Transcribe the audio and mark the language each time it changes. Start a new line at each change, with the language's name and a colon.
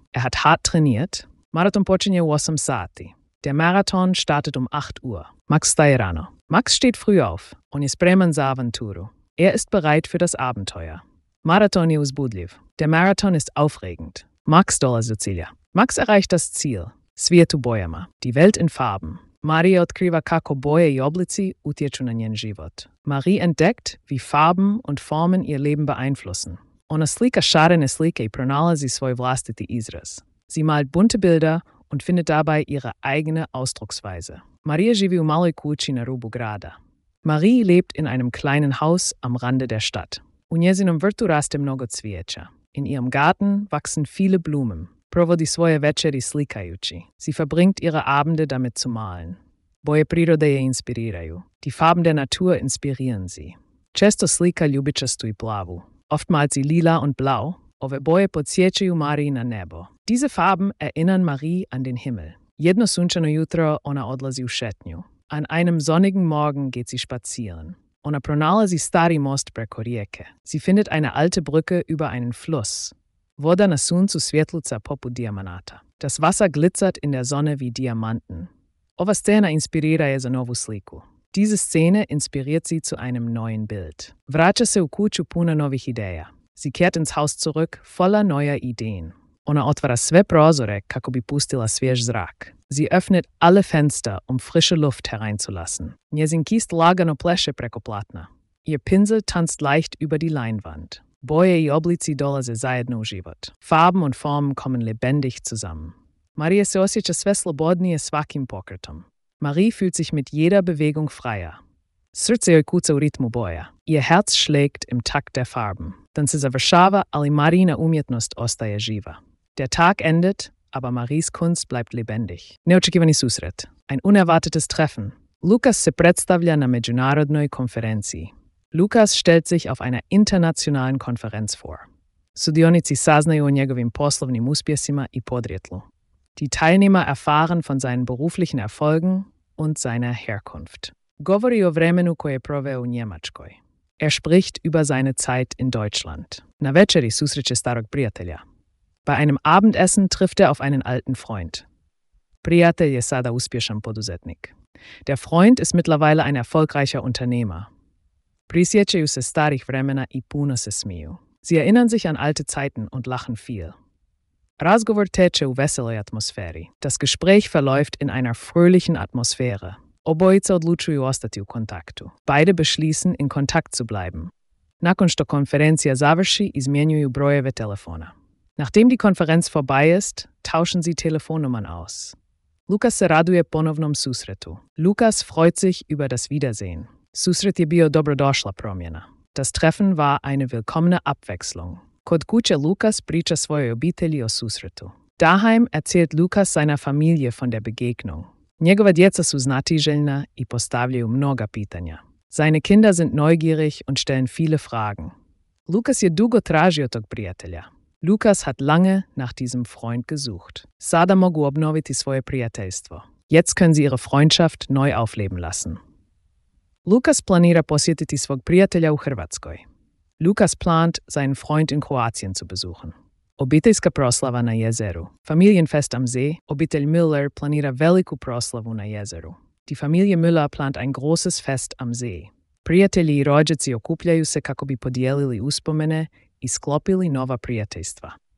German: Er hat hart trainiert.
Croatian: Marathon počinje u 8 sati.
German: Der Marathon startet um 8 Uhr.
Croatian: Max staje rano.
German: Max steht früh auf.
Croatian: On je spreman za avanturu.
German: Er ist bereit für das Abenteuer.
Croatian: Marathon je uzbudljiv.
German: Der Marathon ist aufregend.
Croatian: Max dolazi do cilja.
German: Max erreicht das Ziel.
Croatian: Svijet u bojama.
German: Die Welt in Farben.
Croatian: Marija otkriva kako boje i oblici utječu na njen život.
German: Marie entdeckt, wie Farben und Formen ihr Leben beeinflussen.
Croatian: Ona slika šarene slike i pronalazi svoj vlastiti izraz.
German: Sie malt bunte Bilder und findet dabei ihre eigene Ausdrucksweise.
Croatian: Marija živi u maloj kući na rubu grada.
German: Marie lebt in einem kleinen Haus am Rande der Stadt.
Croatian: U njezinom vrtu raste mnogo cvijeća.
German: In ihrem Garten wachsen viele Blumen.
Croatian: Provodi svoje večeri slikajući.
German: Sie verbringt ihre Abende damit zu malen.
Croatian: Boje prirode je inspiriraju.
German: Die Farben der Natur inspirieren sie.
Croatian: Često slika ljubičastu i plavu.
German: Oftmals sie lila und blau.
Croatian: Ove boje podsjećaju Marii na nebo.
German: Diese Farben erinnern Marie an den Himmel.
Croatian: Jedno sunčano jutro ona odlazi u šetnju.
German: An einem sonnigen Morgen geht sie spazieren.
Croatian: Ona pronalazi stari most preko rijeke.
German: Sie findet eine alte Brücke über einen Fluss.
Croatian: Voda na suncu svjetluca poput diamanata.
German: Das Wasser glitzert in der Sonne wie Diamanten.
Croatian: Ova scena inspirira je za novu sliku.
German: Diese Szene inspiriert sie zu einem neuen Bild.
Croatian: Vraća se u kuću puna novih ideja.
German: Sie kehrt ins Haus zurück, voller neuer Ideen.
Croatian: Ona otvara sve prozore kako bi pustila svjež zrak.
German: Sie öffnet alle Fenster, um frische Luft hereinzulassen.
Croatian: Njezin kist lagano pleše preko platna.
German: Ihr Pinsel tanzt leicht über die Leinwand.
Croatian: Boje i oblici dolaze zajedno u život.
German: Farben und Formen kommen lebendig zusammen.
Croatian: Marija se osjeća sve slobodnije svakim pokretom.
German: Marie fühlt sich mit jeder Bewegung freier.
Croatian: Srce joj kuca u ritmu boja.
German: Ihr Herz schlägt im Takt der Farben.
Croatian: Dan se završava, ali Marijina umjetnost ostaje živa.
German: Der Tag endet, aber Maries Kunst bleibt lebendig.
Croatian: Neočekivani susret.
German: Ein unerwartetes Treffen.
Croatian: Lukas se predstavlja na međunarodnoj konferenciji.
German: Lukas stellt sich auf einer internationalen Konferenz vor.
Croatian: Sudionici saznaju o njegovim poslovnim uspjesima i podrijetlu.
German: Die Teilnehmer erfahren von seinen beruflichen Erfolgen und seiner Herkunft.
Croatian: Govori o vremenu koje proveo u Njemačkoj.
German: Er spricht über seine Zeit in Deutschland.
Croatian: Na večeri susreće starog prijatelja.
German: Bei einem Abendessen trifft er auf einen alten Freund.
Croatian: Prijatelj je sada uspješan poduzetnik.
German: Der Freund ist mittlerweile ein erfolgreicher Unternehmer.
Croatian: Prisjećaju se starih vremena i puno se smiju.
German: Sie erinnern sich an alte Zeiten und lachen viel.
Croatian: Razgovor teče u veseloj atmosferi.
German: Das Gespräch verläuft in einer fröhlichen Atmosphäre.
Croatian: Obojica odlučuju ostati u kontaktu.
German: Beide beschließen, in Kontakt zu bleiben.
Croatian: Nakon što konferencija završi, izmjenjuju brojeve telefona.
German: Nachdem die Konferenz vorbei ist, tauschen sie Telefonnummern aus.
Croatian: Lukas se raduje ponovnom susretu.
German: Lukas freut sich über das Wiedersehen.
Croatian: Susret je bio dobrodošla promjena.
German: Das Treffen war eine willkommene Abwechslung.
Croatian: Kod kuće Lukas priča svojoj obitelji o susretu.
German: Daheim erzählt Lukas seiner Familie von der Begegnung.
Croatian: Njegova djeca su znatiželjna i postavljaju mnoga pitanja.
German: Seine Kinder sind neugierig und stellen viele Fragen.
Croatian: Lukas je dugo tražio tog prijatelja.
German: Lukas hat lange nach diesem Freund gesucht.
Croatian: Sada mogu obnoviti svoje prijateljstvo.
German: Jetzt können sie ihre Freundschaft neu aufleben lassen.
Croatian: Lukas planira posjetiti svog prijatelja u Hrvatskoj.
German: Lukas plant, seinen Freund in Kroatien zu besuchen.
Croatian: Obiteljska proslava na jezeru.
German: Familienfest am See.
Croatian: Obitelj Müller planira veliku proslavu na jezeru.
German: Die Familie Müller plant ein großes Fest am See.
Croatian: Prijatelji i rođaci okupljaju se kako bi podijelili uspomene i sklopili nova prijateljstva.